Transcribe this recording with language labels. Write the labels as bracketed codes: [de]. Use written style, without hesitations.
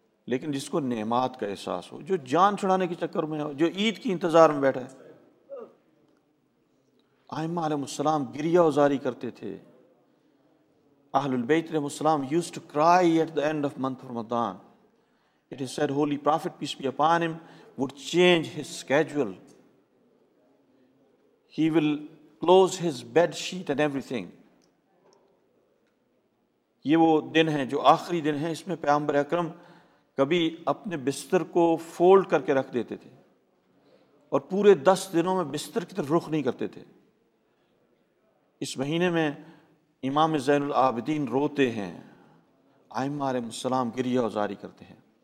[ur] لیکن جس کو نعمات کا احساس ہو، جو جان چھڑانے کے چکر میں ہو، جو عید کی انتظار میں بیٹھا ہے، آئمہ علیہ السلام گریہ وزاری کرتے تھے، اہل البیت علیہ السلام [en] Used to cry at the end of month Ramadan. It is said holy prophet peace be upon him would change his schedule. He will close his bed sheet and everything. [ur] یہ وہ دن ہیں جو آخری دن ہیں، اس میں پیغمبر اکرم کبھی اپنے بستر کو فولڈ کر کے رکھ دیتے تھے اور پورے 10 دنوں میں بستر کی طرف رخ نہیں کرتے تھے. اس مہینے میں امام زین العابدین روتے ہیں، آئمہ علیہ السلام گریہ وزاری کرتے ہیں.